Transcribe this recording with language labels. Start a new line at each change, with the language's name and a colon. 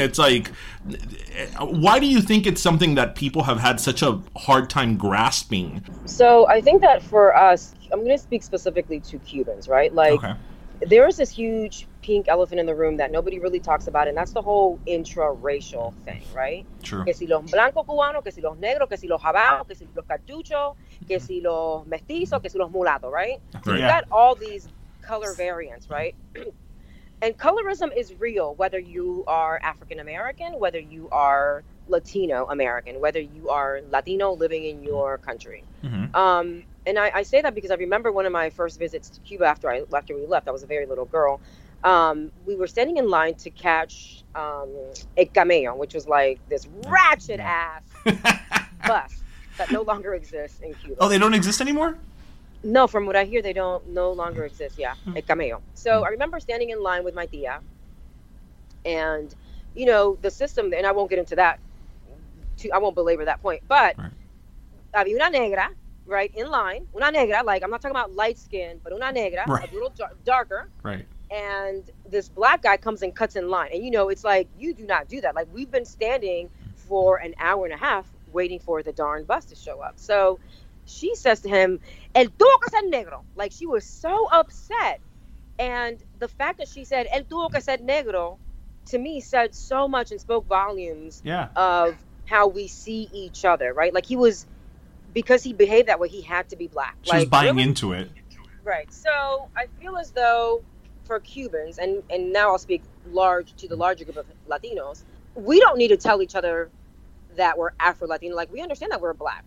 English: It's like, why do you think it's something that people have had such a hard time grasping? So I think that for us, I'm going to speak specifically to Cubans, right? Like, okay, there is this huge pink elephant in the room that nobody really talks about, and that's the whole intra-racial thing, right? True.
Spanish: Que si los blancos cubanos, que si los negros, que si los jabaos, que si los cartuchos, que si los mestizos, que si los mulatos, right?
English: So you got all these color variants, right? And colorism is real, whether you are African-American, whether you are Latino-American, whether you are Latino living in your country. Mm-hmm. And I say that because I remember one of my first visits to Cuba after we left, I was a very little girl. We were standing in line to catch a camello, which was like this ratchet ass bus that no longer exists in Cuba. Oh, they don't exist anymore? No, from what I hear, they don't no longer exist. Yeah, a camello. So I remember standing in line with my tía, and you know the system. And I won't get into that. I won't belabor that point. But
Spanish: había una negra,
English: right, in line.
Spanish: Una negra,
English: like I'm not talking about light skin, but
Spanish: una negra,
English: a little darker. Right. And this black guy comes and cuts in line. And, you know, it's like, you do not do that. Like, we've been standing for an hour and a half waiting for the darn bus to show up. So she says to him,
Spanish: el tuvo que ser negro.
English: Like, she was so upset. And the fact that she said,
Spanish: el tuvo que ser negro,
English: to me, said so much and spoke volumes of how we see each other, right? Like, he was, because he behaved that way, he had to be black. She was buying into it. Right. So I feel as though, for Cubans, and now I'll speak large to the larger group of Latinos, we don't need to tell each other that we're Afro-Latino. Like, we understand that we're black.